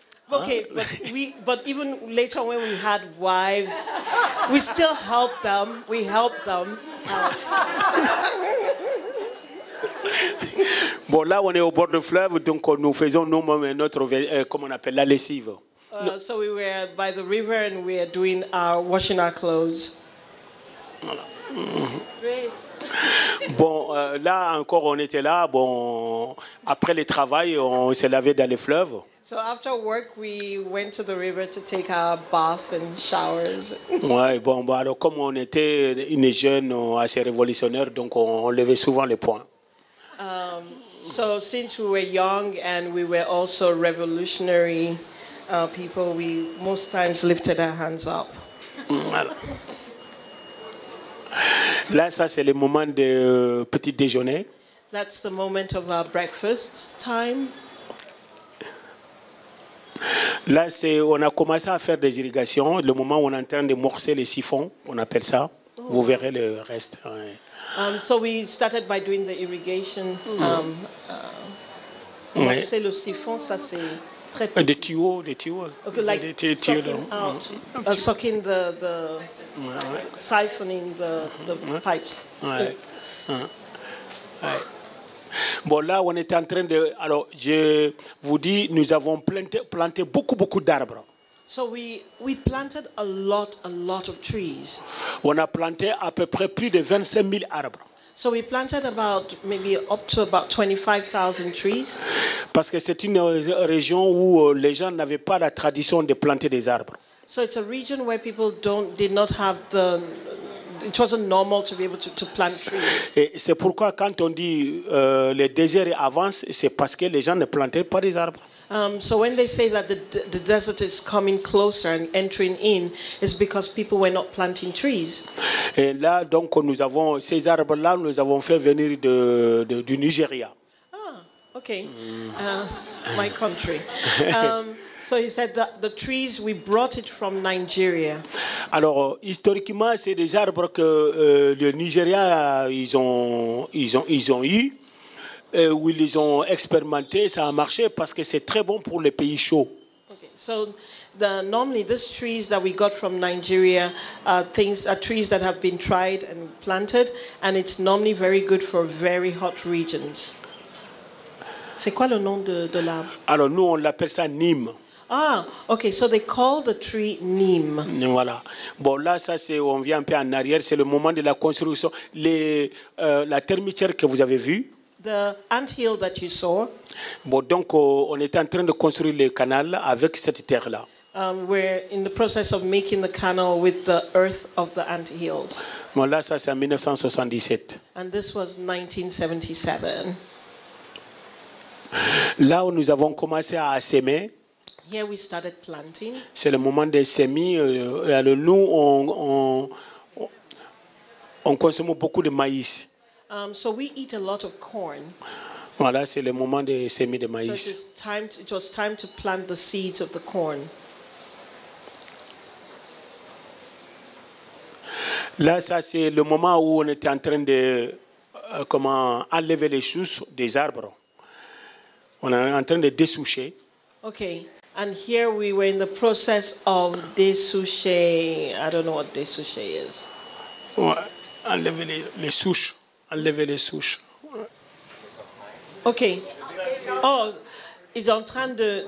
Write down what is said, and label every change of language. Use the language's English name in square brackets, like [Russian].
[English] Okay, but even later when we had wives, we still helped them. We helped them. [French] Bon, là, on est au bord du fleuve, donc nous faisons nous-mêmes notre, comment on appelle, la lessive. [English] So we were by the river and we are doing our washing our clothes. [French] Voilà. Bon, là encore, on était là. Bon, après le travail, on s'est lavé dans les fleuves. [English] So after work, we went to the river to take our bath and showers. [French] Ouais, bon, alors comme on était une jeune assez révolutionnaire, donc on levait souvent les poings. [English] So since we were young and we were also revolutionary people, we most times lifted our hands up. [French] Là, ça c'est le moment de petit déjeuner. [English] That's the moment of our breakfast time. [French] Là, c'est on a commencé à faire des irrigations. Le moment où on est en train de morcer les siphons, on appelle ça. Oh. Vous verrez le reste. Ouais. [English] So we started by doing the irrigation. [French] Morcer le siphon, ça c'est très petit. Des tuyaux. [English] Okay, like sucking the. Ouais. Siphoning the ouais. Pipes. [French] Ouais. Bon, là, on était en train de. Alors, je vous dis, nous avons planté beaucoup d'arbres. [English] So we planted a lot of trees. [French] On a planté à peu près plus de 25 000 arbres. [English] So we planted about maybe up to about 25,000 trees. [French] Parce que c'est une région où les gens n'avaient pas la tradition de planter des arbres. [English] So it's a region where people did not have the. It wasn't normal to be able to plant trees. [French] Et c'est pourquoi quand on dit le désert avance, c'est parce que les gens ne plantaient pas des arbres. [English] So when they say that the desert is coming closer and entering in, it's because people were not planting trees. [French] Et là, donc, nous avons ces arbres-là, nous avons fait venir du Nigeria. [English] Ah, okay. My country. So you said that the trees, we brought it from Nigeria. [French] Alors, historiquement, c'est des arbres que le Nigeria, ils ont eu. Où ils ont expérimenté, ça a marché parce que c'est très bon pour les pays chauds. [English] Okay, so normally these trees that we got from Nigeria are trees that have been tried and planted, and it's normally very good for very hot regions. [French] C'est quoi le nom de l'arbre? Alors nous on l'appelle ça neem. [English] Ah, okay, so they call the tree neem. [French] Voilà. Bon, là, ça, c'est, on vient un peu en arrière, c'est le moment de la construction. La termitière que vous avez vue. [English] The anthill that you saw. [French] Bon, donc, on est en train de construire le canal avec cette terre-là. [English] We're in the process of making the canal with the earth of the anthills. [French] Bon, là, ça, c'est en 1977. [English] And this was 1977. [French] Là où nous avons commencé à semer. [English] Here we started planting. [French] C'est le moment de semer. Alors, nous, on consomme beaucoup de maïs. [English] So we eat a lot of corn. [French] Voilà, c'est le moment de semer de maïs. [English] So it was time to plant the seeds of the corn. [French] Là, ça c'est le moment où on était en train de enlever les choses des arbres. On est en train de dessoucher. [English] Okay, and here we were in the process of dessoucher. I don't know what dessoucher is. [French] Ouais, enlever les souches. Enlever les souches. Okay. Oh, ils sont en train de.